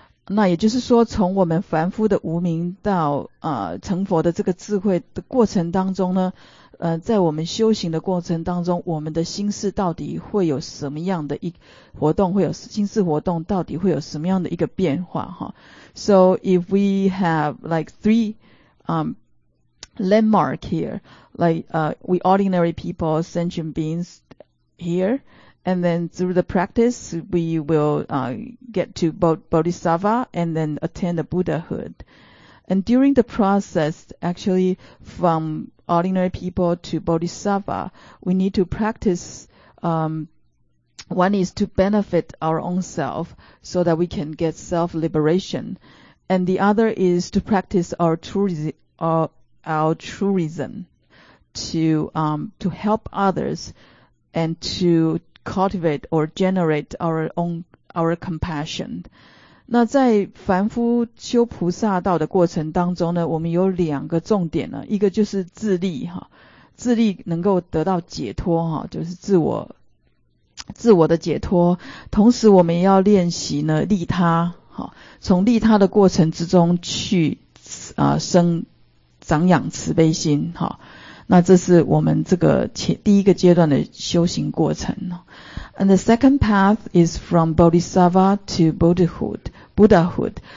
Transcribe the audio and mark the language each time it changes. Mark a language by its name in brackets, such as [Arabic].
[Chinese] 那也就是说从我们凡夫的无明到成佛的这个智慧的过程当中呢，在我们修行的过程当中，我们的心识到底会有什么样的一活动，会有心识活动到底会有什么样的一个变化哈。 [English] So if we have like three landmark here, like we ordinary people, sentient beings hereAnd then through the practice, we will get to Bodhisattva and then attain the Buddhahood. And during the process, actually, from ordinary people to Bodhisattva, we need to practice, one is to benefit our own self so that we can get self-liberation. And the other is to practice our altruism to help others and to... cultivate or generate our compassion. [Chinese] 那在凡夫修菩萨道的过程当中呢，我们有两个重点呢，一个就是自利，自利能够得到解脱，就是自我的解脱，同时我们也要练习呢利他，从利他的过程之中去生长养慈悲心。那这是我们这个第一个阶段的修行过程。 [English] And the second path is from Bodhisattva to Buddhahood.